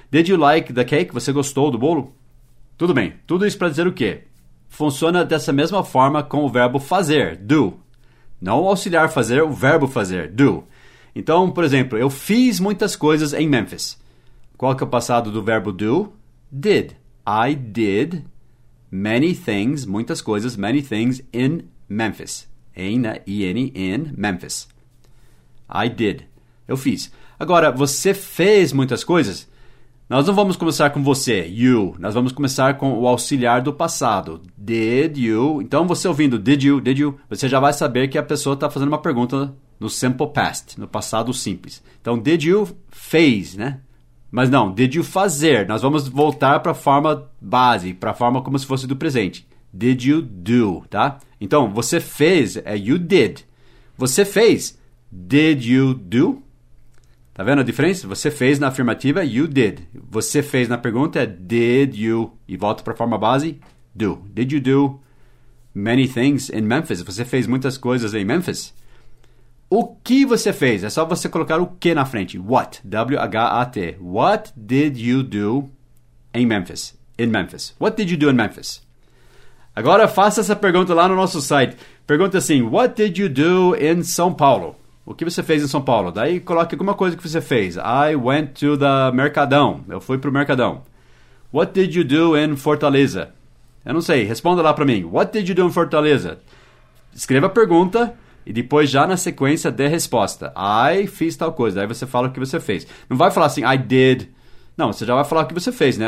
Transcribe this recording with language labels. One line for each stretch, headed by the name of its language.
Portuguese: Did you like the cake? Você gostou do bolo? Tudo bem. Tudo isso pra dizer o quê? Funciona dessa mesma forma com o verbo fazer, do. Não o auxiliar fazer, o verbo fazer, do. Então, por exemplo, eu fiz muitas coisas em Memphis. Qual que é o passado do verbo do?
English: Did. I did many things, muitas coisas, many things in Memphis. N-I-N, in Memphis. I did. Eu fiz.
Portuguese: Agora, você fez muitas coisas? Nós não vamos começar com você, you. Nós vamos começar com o auxiliar do passado. Did you? Então, você ouvindo did you, você já vai saber que a pessoa está fazendo uma pergunta no simple past, no passado simples. Então, did you fez, né? Mas não, did you fazer? Nós vamos voltar para a forma base, para a forma como se fosse do presente. Did you do, tá? Então, você fez é you did. Você fez, did you do? Tá vendo a diferença? Você fez na afirmativa, you did. Você fez na pergunta, did you? E volta para a forma base, do.
English: Did you do many things in Memphis?
Portuguese: Você fez muitas coisas em Memphis? O que você fez? É só você colocar o que na frente.
English: What? W-H-A-T. What did you do in Memphis? In Memphis. What did you do in Memphis?
Portuguese: Agora faça essa pergunta lá no nosso site. Pergunta assim, what did you do in São Paulo? O que você fez em São Paulo? Daí coloque alguma coisa que você fez.
English: I went to the Mercadão. Eu fui para o Mercadão. What did you do in Fortaleza? Eu não sei. Responda lá para mim. What did you do in Fortaleza?
Portuguese: Escreva a pergunta e depois já na sequência dê a resposta. I fiz tal coisa. Daí você fala o que você fez. Não vai falar assim, I did. Não, você já vai falar o que você fez, né?